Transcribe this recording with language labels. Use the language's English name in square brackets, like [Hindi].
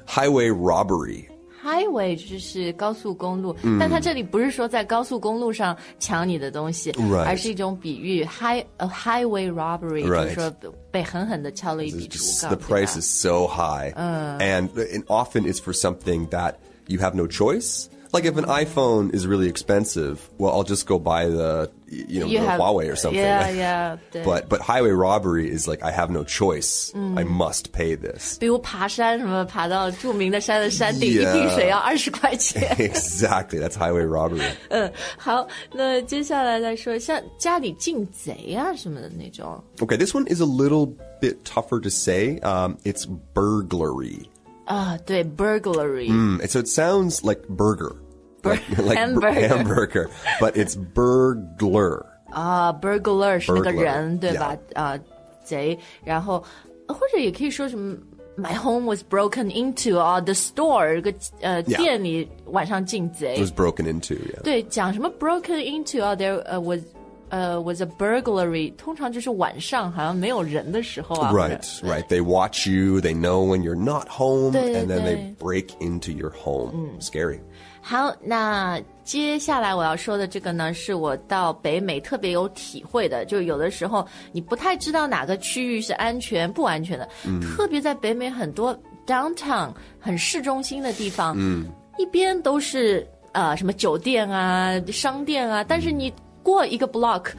[English] Highway robbery. [Chinese] Highway 就是高速公路、mm. 但他这里不是说在高速公路上抢你的东西、 [English] right. [Chinese] 而是一种比喻 highway robbery、 [English] right. [Chinese] 就是说被狠狠地敲了一笔竹杠 [English] The price is so high. And often it's for something that you have no choice. Like if an iPhone is really expensive, well, I'll just go buy the, you know, the Huawei or something. Yeah, yeah. 对 but highway robbery is like, I have no choice.、嗯、 I must pay this. [Chinese] 比如爬山什么爬到著名的山的山顶、 [English] yeah. [Chinese] 一瓶水要20块钱。 [English] Exactly. That's highway robbery. [Chinese] 嗯好那接下来来说像家里进贼啊什么的那种。 [English] Okay, this one is a little bit tougher to say. It's burglary. [Chinese] 对 burglary.、 [English] Mm, so it sounds like burger. Like hamburger. Hamburger. But it's burglar. [Chinese] Burglar 是那个人 [English] burglar, [Chinese] 对吧、 [English] yeah. [Chinese] 贼。然后或者也可以说什么 [English] my home was broken into,、 the store, [Chinese] 个、店里晚上进贼。 [English] It was broken into, yeah. [Chinese] 对讲什么 broken into,、 [English] there was,、was a burglary, [Chinese] 通常就是晚上好像没有人的时候啊。 [English] Right, right. They watch you, they know when you're not home, [Chinese] 对对对 [English] and then they break into your home.、嗯、 Scary. [Chinese] 好，那接下来我要说的这个呢，是我到北美特别有体会的，就有的时候你不太知道哪个区域是安全不安全的，特别在北美很多 downtown 很市中心的地方，一边都是什么酒店啊商店啊，但是你过一个 block、